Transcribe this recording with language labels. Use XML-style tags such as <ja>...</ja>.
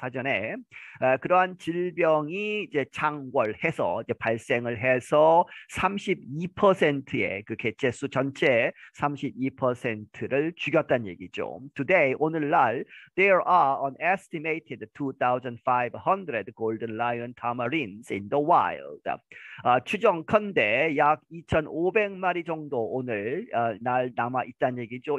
<ko>사전에 그러한 질병이 이제 창궐해서 이제 발생을 해서 32%의 그 개체수 전체 32%를 죽였다는 얘기죠.</ko> <en>Today,</en> <ko>오늘날</ko> <en>there are an estimated 2,500 golden lion tamarins in the wild.</en> <ko>추정컨대 약 2,500마리 정도 오늘 날 남아 있다는 얘기죠.</ko>